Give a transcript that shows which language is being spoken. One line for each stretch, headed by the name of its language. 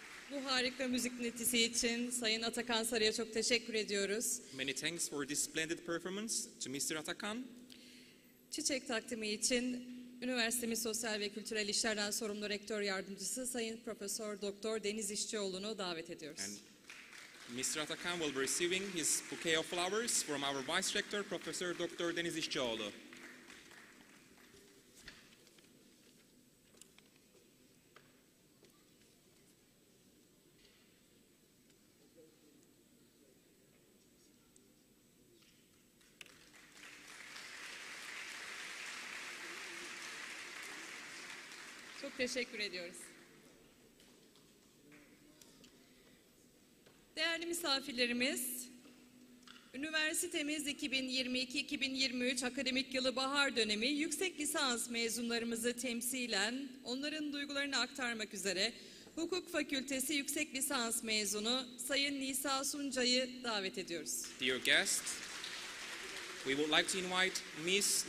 Turkish: Bu harika müzik netisi için Sayın Atakan Sarı'ya çok teşekkür ediyoruz.
English: Many thanks for this splendid performance to Mr. Atakan.
Turkish: Çiçek takdimi için üniversitemiz sosyal ve kültürel işlerden sorumlu rektör yardımcısı Sayın Profesör Doktor Deniz İşçioğlu'nu davet ediyoruz.
English: And Mr. Atakan will be receiving his bouquet of flowers from our vice rector Professor Dr. Deniz İşçioğlu.
Turkish: Çok teşekkür ediyoruz. Değerli misafirlerimiz, üniversitemiz 2022-2023 akademik yılı bahar dönemi yüksek lisans mezunlarımızı temsilen onların duygularını aktarmak üzere Hukuk Fakültesi yüksek lisans mezunu Sayın Nisa Sunca'yı davet ediyoruz.
English: Dear guests, we would like to invite Ms.